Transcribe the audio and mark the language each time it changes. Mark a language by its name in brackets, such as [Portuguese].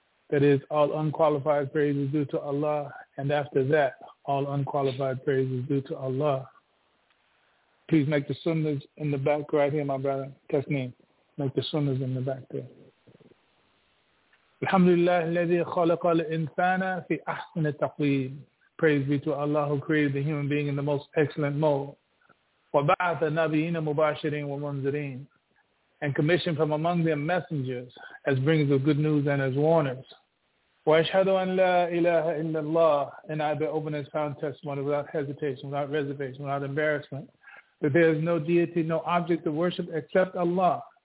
[English] That is all unqualified praises due to Allah, and after that, all unqualified praises due to Allah. Please make the sunnahs in the back right here, my brother. Tasneem. Make the sunnahs in the back there. [Arabic] Alhamdulillah, الذي خلق الإنسان في أحسن تقويم. [English] Praise be to Allah who created the human being in the most excellent mode. [Arabic] وبعث نبيين مباشرين ومنذرين. [English] And commissioned from among them messengers as bringers of good news and as warners. [Arabic] وَأَشْهَدُ أَنْ لَا إِلَٰهَ إِلَّا اللَّهِ. [English] And I bear openness, found testimony without hesitation, without reservation, without embarrassment, that there is no deity, no object of worship except Allah.